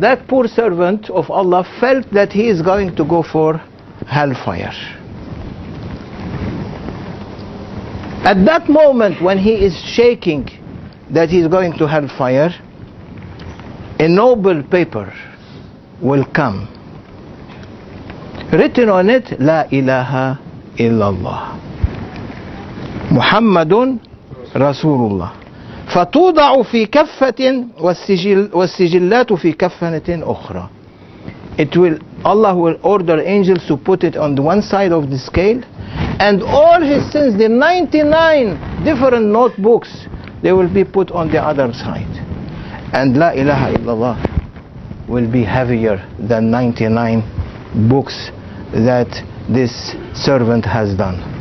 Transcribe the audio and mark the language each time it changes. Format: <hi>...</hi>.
<en>That poor servant of Allah felt that he is going to go for hellfire. At that moment when he is shaking that he is going to hellfire, a noble paper will come. Written on it,</en> <ar>لا إله إلا الله. محمد رسول الله. فتوضع في كفة والسجلات في كفنة أخرى.</ar> <en>It will, Allah will order angels to put it on the one side of the scale. And all his sins, the 99 different notebooks, they will be put on the other side. And La ilaha illallah will be heavier than 99 books that this servant has done.</en>